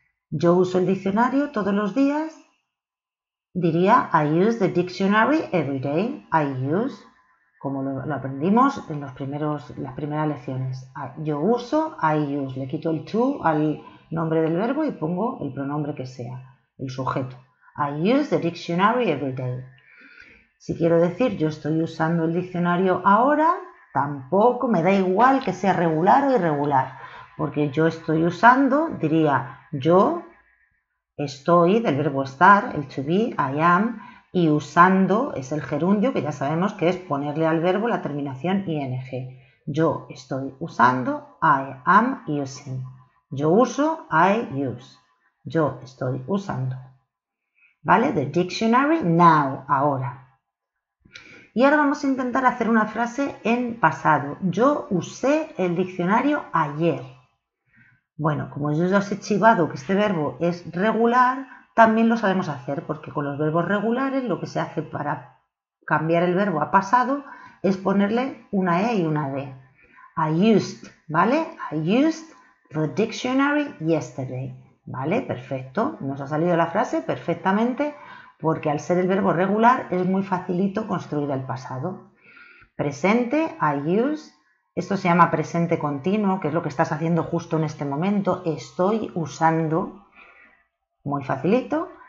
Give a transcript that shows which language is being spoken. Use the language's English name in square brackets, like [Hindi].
[Spanish] Yo uso el diccionario todos los días, diría [English] I use the dictionary every day, I use. [Spanish] Como lo aprendimos en las primeras lecciones. Yo uso, [English] I use. [Spanish] Le quito el to al nombre del verbo y pongo el pronombre que sea, el sujeto. [English] I use the dictionary every day. [Spanish] Si quiero decir yo estoy usando el diccionario ahora, tampoco me da igual que sea regular o irregular. Porque yo estoy usando, diría yo estoy, del verbo estar, el to be, [English] I am. [Spanish] Y usando es el gerundio, que ya sabemos que es ponerle al verbo la terminación ing. Yo estoy usando, [English] I am using. [Spanish] Yo uso, [English] I use. [Spanish] Yo estoy usando. ¿Vale? [English] The dictionary now, ahora. [Spanish] Y ahora vamos a intentar hacer una frase en pasado. Yo usé el diccionario ayer. Bueno, como yo ya os he chivado que este verbo es regular, también lo sabemos hacer, porque con los verbos regulares lo que se hace para cambiar el verbo a pasado es ponerle una e y una d. [English] I used, ¿vale? I used the dictionary yesterday. [Spanish] ¿Vale? Perfecto. Nos ha salido la frase perfectamente, porque al ser el verbo regular es muy facilito construir el pasado. Presente, [English] I use. [Spanish] Esto se llama presente continuo, que es lo que estás haciendo justo en este momento. Estoy usando. Muy facilito.